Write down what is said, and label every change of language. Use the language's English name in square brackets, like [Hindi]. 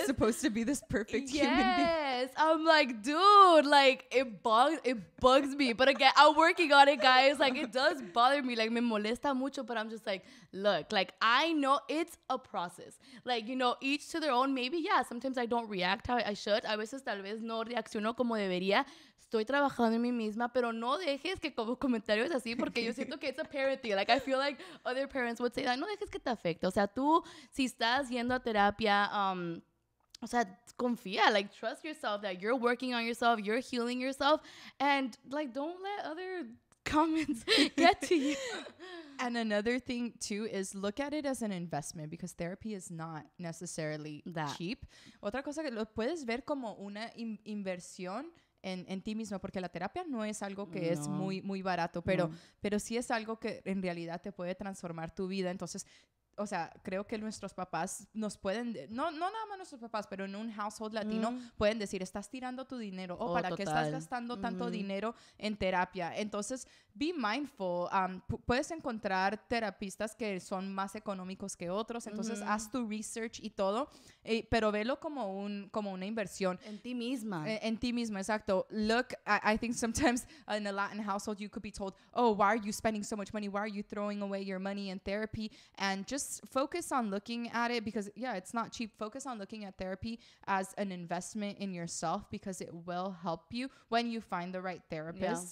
[English] You're supposed to be this perfect human being. Yes. I'm like, dude, like, it bugs me. But again, I'm working on it, guys. Like, it does bother me. Like, [Spanish] me molesta mucho. [English] But I'm just like, look, like, I know it's a process. Like, you know, each to their own. Maybe, yeah, sometimes I don't react how I should. [Spanish] A veces tal vez no reacciono como debería. Estoy trabajando en mí misma, pero no dejes que como comentarios así, porque yo siento que [English] it's a parent thing. Like, I feel like other parents would say that. [Spanish] No dejes que te afecte. O sea, tú, si estás yendo a terapia, o sea, confía, [English] like, trust yourself that you're working on yourself, you're healing yourself, and, like, don't let other comments get to you. And another thing, too, is look at it as an investment, because therapy is not necessarily that cheap. [Spanish] Otra cosa que lo puedes ver como una inversión en ti mismo, porque la terapia no es algo que es muy, muy barato, pero sí es algo que en realidad te puede transformar tu vida. Entonces, o sea, creo que nuestros papás nos pueden, no nada más nuestros papás, pero en un household latino pueden decir, estás tirando tu dinero, o para qué estás gastando tanto dinero en terapia. Entonces, [English] be mindful. [Spanish] Puedes encontrar terapistas que son más económicos que otros. Entonces, haz tu research y todo, pero velo como una inversión. En ti misma. En ti misma, exacto. [English] Look, I think sometimes in a Latin household, you could be told, oh, why are you spending so much money? Why are you throwing away your money in therapy? And just focus on looking at it, because, yeah, it's not cheap. Focus on looking at therapy as an investment in yourself, because it will help you when you find the right therapist.